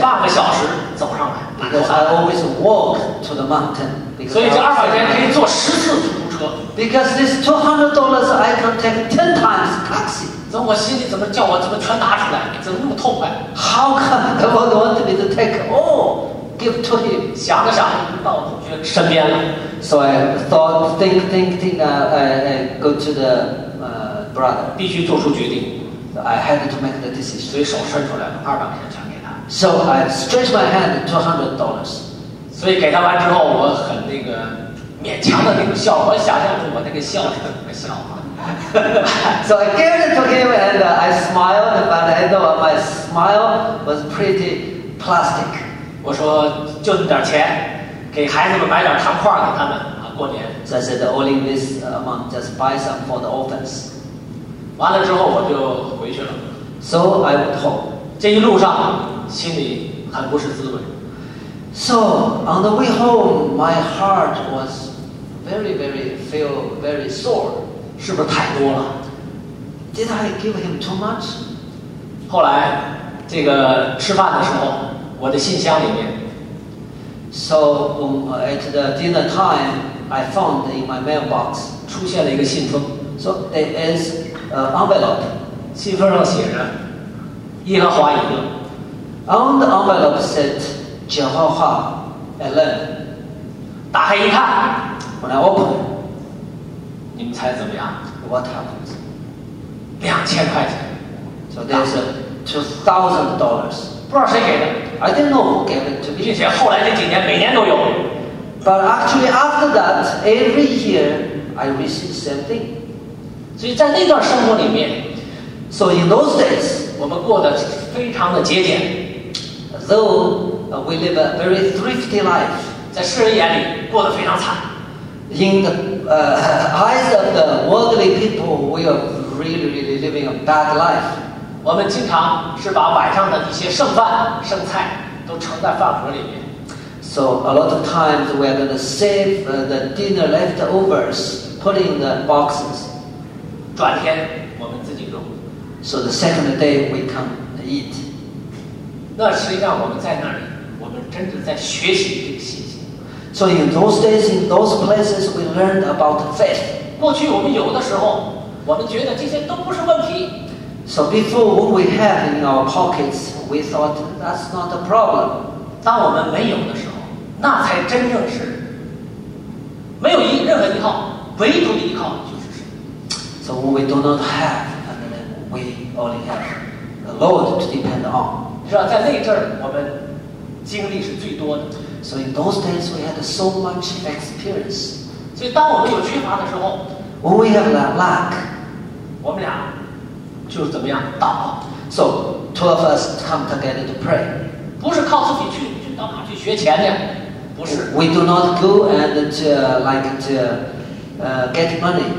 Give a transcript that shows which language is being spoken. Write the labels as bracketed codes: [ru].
[zh] 半个小时走上来。 [en] Because I always walk to the mountain. [zh] 所以这200块钱可以坐10次出租车。 [en] Because this $200, I can take 10 times taxi. [zh] 怎么我心里怎么叫我怎么全拿出来？怎么那么痛快 [en] ？How come the Lord want me to take all? Give to him. [zh] 想了想，到同学身边了。 [en] So I thought, think, I go to the brother. [zh] 必须做出决定。 [en] So I had to make the decision. [zh] 所以手伸出来了，200块钱全给他。 [en] So I stretched my hand, $200. [zh] 所以给他完之后，我很那个勉强的那个笑，我想象中我那个笑是怎么笑啊。 [en] So I gave it to him and I smiled, but at the end of my smile was pretty plastic. [zh] 我说就那点钱，给孩子们买点糖块给他们啊，过年。 [en] So I said only this amount, just buy some for the orphans. [zh] 完了之后我就回去了。 [en] So I went home. [zh] 这一路上心里很不是滋味。 [en] So on the way home, my heart was very, very feel very sore. [zh] 是不是太多了 [en] ？Did I give him too much？ [zh] 后来，这个吃饭的时候，我的信箱里面。 [en] So at the dinner time, I found in my mailbox [zh] 出现了一个信封。 [en] So it is envelope. [zh] 信封上写着：“耶和华已经。” [en] On the envelope said, "Jehovah Alone." [zh] 打开一看，我来 [en] open。你们猜怎么样？What happens？ [zh] 2000块钱。 [en] So there's $2,000. [zh] 不知道谁给的。 [en] I didn't know who gave it to me. [zh] 并且后来这几年每年都有。 [en] But actually after that, every year I receive the same thing. [zh] 所以在那段生活里面 [en] ，So in those days， [zh] 我们过得非常的节俭。 [en] Though we live a very thrifty life， [zh] 在世人眼里过得非常惨。 [en] In the eyes of the worldly people, we are really, really living a bad life. [zh] 我们经常是把晚上的一些剩饭、剩菜都盛在饭盒里面。 [en] So a lot of times we are going to save the dinner leftovers, put in the boxes. [zh] 转天我们自己弄。 [en] So the second day we come and eat. [zh] 那实际上我们在那里，我们真的在学习这个信息。 [en] So in those days, in those places, we learned about faith. [zh] 过去我们有的时候，我们觉得这些都不是问题。 [en] So before, what we had in our pockets, we thought that's not a problem. [zh] 当我们没有的时候，那才真正是没有任何依靠，唯独的依靠就是神。 [en] So what we do not have, and then we only have the Lord to depend on. [zh] 是啊，在那阵儿，我们经历是最多的。 [en] So in those days, we had so much experience. [zh] 所以当我们有缺乏的时候 [en] ，When we have that lack, [zh] 我们俩就是怎么样祷告。 [en] So two of us come together to pray. [zh] 不是靠自己去到哪去学钱去，不是。 [en] We do not go and to, like to get money.